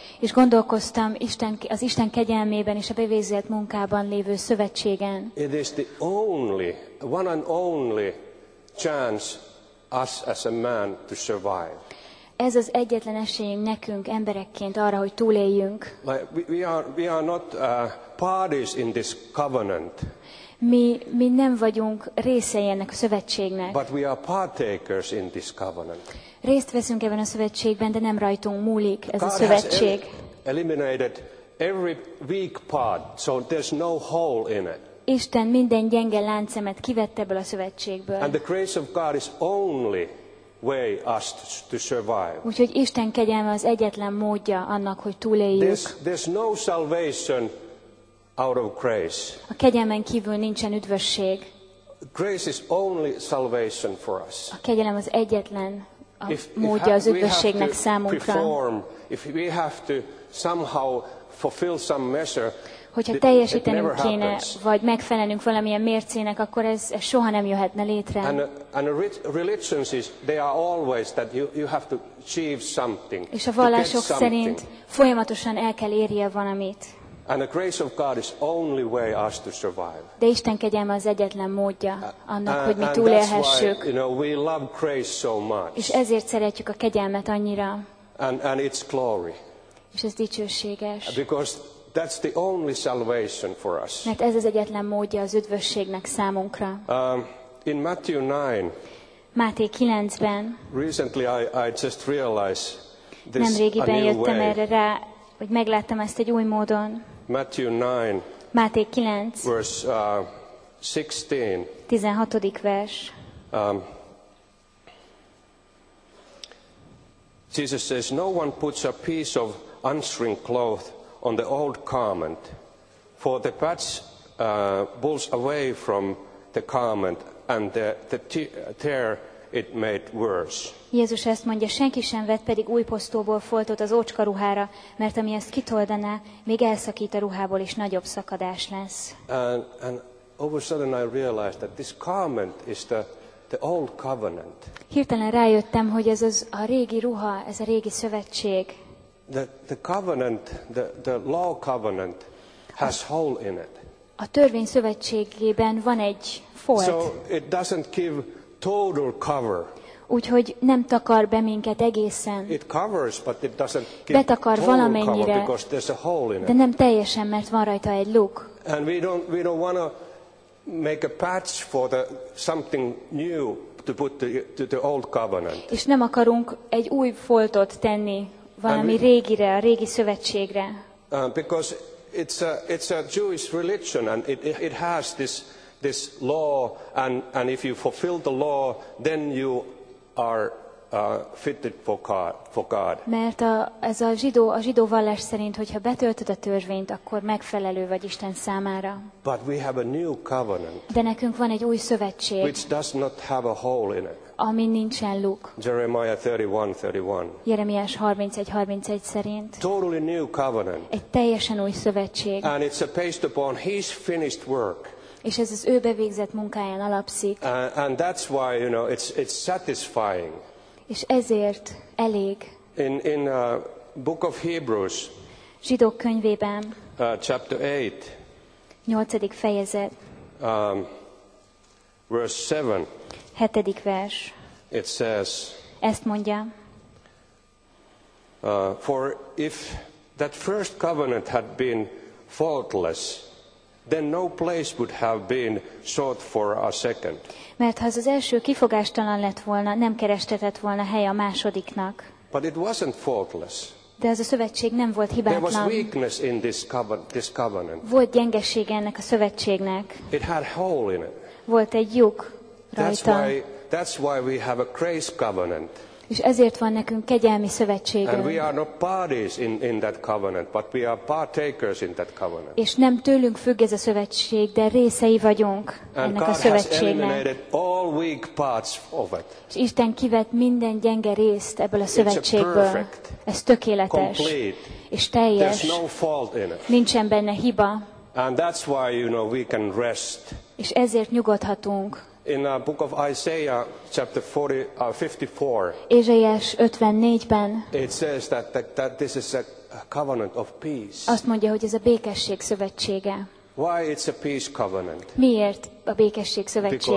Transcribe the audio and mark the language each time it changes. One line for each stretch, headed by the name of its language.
Hungarian: És gondolkoztam az Isten kegyelmében és a bevézett munkában lévő szövetségen.
English: It is the only, one and only chance us as a man to survive.
Hungarian: Ez az egyetlen esélyünk nekünk emberekként arra, hogy túléljünk.
English: Like we are not parties in this covenant.
Hungarian: Mi nem vagyunk részei ennek a szövetségnek.
English: But we are partakers in this covenant.
Hungarian: Részt veszünk ebben a szövetségben, de nem rajtunk múlik ez a szövetség.
English: Eliminated every weak part, so there's no hole in it.
Hungarian: Isten minden gyenge láncemet kivette ebből a szövetségből.
English: And the grace of God is only way us to survive.
Hungarian: Úgyhogy Isten kegyelme az egyetlen módja annak, hogy túléljük.
English: There's no salvation out of grace.
Hungarian: A kegyelmen kívül nincsen üdvösség.
English: Grace is only salvation for us.
Hungarian: A kegyelem az egyetlen módja az üdvösségnek számunkra.
English: If we have to somehow fulfill some measure,
Hungarian: hogyha teljesítenünk kéne, vagy megfelelnünk valamilyen mércének, akkor ez soha nem jöhetne létre.
English: And religions is, they are always that you have to achieve something.
Hungarian: És a vallások szerint folyamatosan el kell érje valamit.
English: And the grace of God is only way us to survive.
Hungarian: De Isten kegyelme az egyetlen módja annak, hogy mi túlélhessük.
English: And that's why, you know, we love grace so much.
Hungarian: És ezért szeretjük a kegyelmet annyira.
English: And it's glory.
Hungarian: És ez dicsőséges.
English: Because that's the only salvation for us.
Hungarian: Mert ez az egyetlen módja az üdvösségnek számunkra.
English: In Matthew 9.
Hungarian: Máté 9-ben.
English: Recently I just realized this.
Hungarian: Nemrégiben jöttem erre rá, hogy megláttam ezt egy új módon.
English: Matthew 9.
Hungarian: Máté 9.
English: Verse 16.
Hungarian: 16. vers.
English: Jesus says, no one puts a piece of unshrinked cloth on the old garment, for the patch pulls away from the garment, and the tear it made worse.
Hungarian: Jézus ezt mondja, senki sem vett pedig új posztóból foltot az ócska ruhára, mert ami ezt kitoldaná, még elszakít a ruhából, és nagyobb szakadás lesz.
English: And all of a sudden I realized that this garment is the old covenant.
Hungarian: Hirtelen rájöttem, hogy ez az a régi ruha, ez a régi szövetség.
English: The covenant, the law covenant has hole in it.
Hungarian: A törvény szövetségében van egy folt.
English: So it doesn't give total cover.
Hungarian: Úgyhogy nem takar be minket egészen.
English: It covers, but it doesn't give
Hungarian: betakar
English: total
Hungarian: valamennyire,
English: cover because there's a hole in it.
Hungarian: De nem teljesen, mert van rajta egy luk.
English: And we don't want to make a patch for the something new to put to the old covenant.
Hungarian: És nem akarunk egy új foltot tenni valami régire, a régi szövetségre.
English: Because it's a Jewish religion and it has this law and if you fulfill the law then you are fitted for God.
Hungarian: Mert a zsidó vallás szerint, hogyha betöltöd a törvényt, akkor megfelelő vagy Isten számára.
English: But we have a new covenant.
Hungarian: De nekünk van egy új szövetség.
English: Which does not have a hole in it.
Hungarian: Ami nincsen luk.
English: Jeremiah 31:31.
Hungarian: Jeremiás 31:31 szerint.
English: Totally new covenant.
Hungarian: Egy teljesen új szövetség.
English: And it's based upon his finished work.
Hungarian: És ez az ő bevégzett munkáján alapszik.
English: And that's why, you know, it's satisfying.
Hungarian: És ezért elég.
English: In book of Hebrews,
Hungarian: zsidók könyvében,
English: chapter 8,
Hungarian: 8. fejezet,
English: verse 7,
Hungarian: 7. vers,
English: it says,
Hungarian: ezt mondja,
English: for if that first covenant had been faultless, then no place would have been sought for a second.
Hungarian: Mert ha az első kifogástalan lett volna, nem kerestetett volna hely a másodiknak.
English: But it wasn't faultless.
Hungarian: De az a szövetség nem volt hibátlan.
English: There was weakness in this covenant.
Hungarian: Volt gyengesége ennek a szövetségnek.
English: It had hole in it.
Hungarian: Volt egy lyuk rajta.
English: That's why we have a grace covenant.
Hungarian: És ezért van nekünk kegyelmi szövetségünk.
English: And we are not parties in that covenant, but we are partakers in that covenant.
Hungarian: És nem tőlünk függ ez a szövetség, de részei vagyunk ennek
English: God
Hungarian: a szövetségnek.
English: And God has eliminated all weak parts of it.
Hungarian: És Isten kivett minden gyenge részt ebből a szövetségből. Ez tökéletes.
English: Complete.
Hungarian: És teljes.
English: There's no fault in it.
Hungarian: Nincsen benne hiba.
English: And that's why, you know, we can rest.
Hungarian: És ezért nyugodhatunk.
English: In the book of Isaiah, chapter 54,
Hungarian: Ézsaiás 54-ben,
English: it says that this is a covenant of peace.
Hungarian: Azt mondja, hogy ez a békesség szövetsége.
English: Why it's a peace covenant?
Hungarian: Miért a békesség szövetsége?